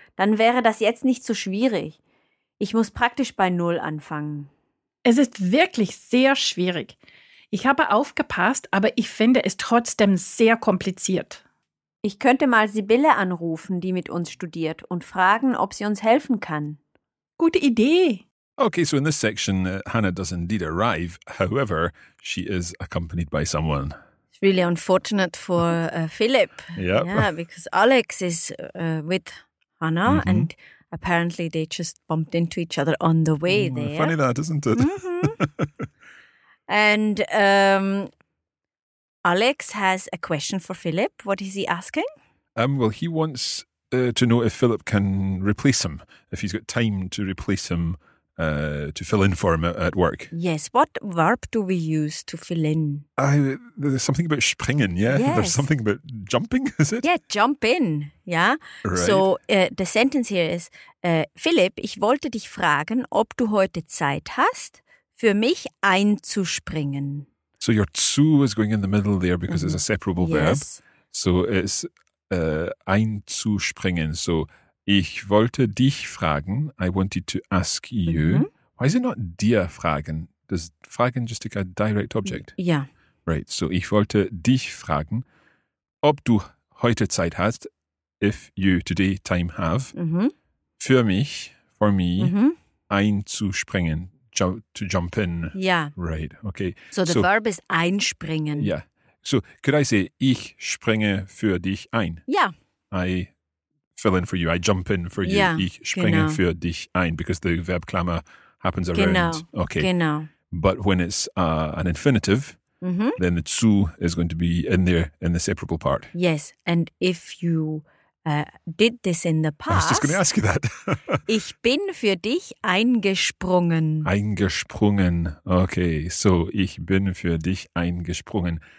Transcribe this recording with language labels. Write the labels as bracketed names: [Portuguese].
[German] Dann wäre das jetzt nicht so schwierig. Ich muss praktisch bei 0 anfangen. Es ist wirklich sehr schwierig. Ich habe aufgepasst, aber ich finde es trotzdem sehr kompliziert. Ich könnte mal Sibylle anrufen, die mit uns studiert, und fragen, ob sie uns helfen kann. Gute Idee. [English] Okay, so in this section, Hannah does indeed arrive. However, she is accompanied by someone. It's really unfortunate for Philip. Yep. Yeah, because Alex is with Hannah, mm-hmm. and apparently they just bumped into each other on the way there. Funny that, isn't it? Mm-hmm. And Alex has a question for Philip. What is he asking? Well, he wants to know if Philip can replace him, if he's got time to replace him. To fill in for him at work. Yes, what verb do we use to fill in? There's something about springen, yeah? Yes. There's something about jumping, is it? Yeah, jump in, yeah? Right. So the sentence here is, [German] Philipp, ich wollte dich fragen, ob du heute Zeit hast, für mich einzuspringen. [English] So your zu is going in the middle there because mm-hmm. it's a separable yes. verb. So it's einzuspringen, so... [German] Ich wollte dich fragen, [English] I wanted to ask you, mm-hmm. why is it not dir fragen? Does fragen just like a direct object? Yeah. Right, so [German] ich wollte dich fragen, ob du heute Zeit hast, [English] if you today time have, mm-hmm. [German] für mich, [English] for me, mm-hmm. [German] einzuspringen, [English] to jump in. Yeah. Right, okay. So the verb is einspringen. Yeah. So could I say, [German] ich springe für dich ein? [English] Yeah. I fill in for you, I jump in for you, yeah, [German] ich springe genau. für dich ein, [English] because the verb klammer happens around. [German] Genau, [English] okay. [German] genau. [English] But when it's an infinitive, mm-hmm. then the zu is going to be in there, in the separable part. Yes, and if you did this in the past... I was just going to ask you that. [German] ich bin für dich eingesprungen. Eingesprungen, okay. [English] So, [German] ich bin für dich eingesprungen.